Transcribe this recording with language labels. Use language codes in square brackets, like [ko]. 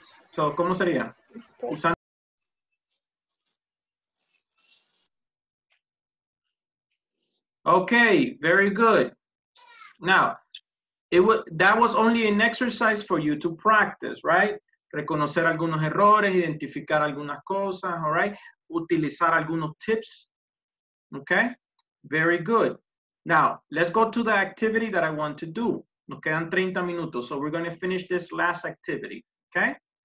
[es] So, ¿cómo sería? Usando. [en] Okay, very good. Now, that was only an exercise for you to practice, right? [es] Reconocer algunos errores, identificar algunas cosas, all right? Utilizar algunos tips, [en] okay? Very good. Now, let's go to the activity that I want to do. [es] Nos quedan 30 minutos, [en] so we're going to finish this last activity, okay?